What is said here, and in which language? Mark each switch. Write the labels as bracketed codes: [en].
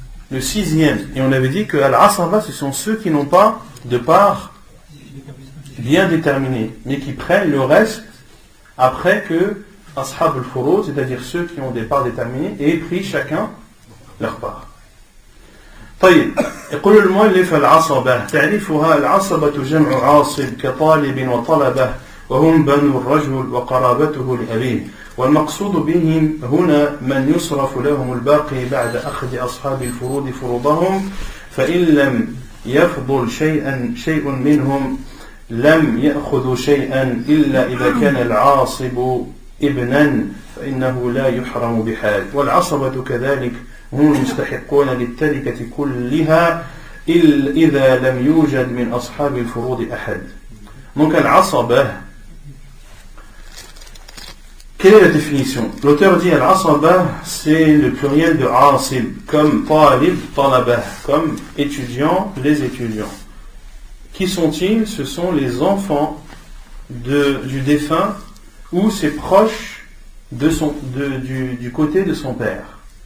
[fr] le sixième, et on avait dit que Al-Asaba, ce sont ceux qui n'ont pas de part bien déterminée, mais qui prennent le reste après que Ashab al-Furud, c'est-à-dire ceux qui ont des parts déterminées, aient pris chacun leur part. [ar] طيب, يقول المؤلف العصبة تعريفها العصبة جمع عاصب كطالب وطلبة وهم بنو الرجل وقرابته لأبيه والمقصود بهم هنا من يصرف لهم الباقي بعد أخذ أصحاب الفروض فروضهم فإن لم يفضل شيء منهم لم يأخذوا شيئا إلا إذا كان العاصب ابنا فإنه لا يحرم بحال والعصبة كذلك هم المستحقون للتركة كلها إلا إذا لم يوجد من أصحاب الفروض أحد ممكن العصبة. [fr] Quelle est la définition ? L'auteur dit Al-Asaba, c'est le pluriel de Asib, comme Talib, Talabah, comme étudiant, les étudiants. Qui sont-ils ? Ce sont les enfants du défunt ou ses proches du côté de son père.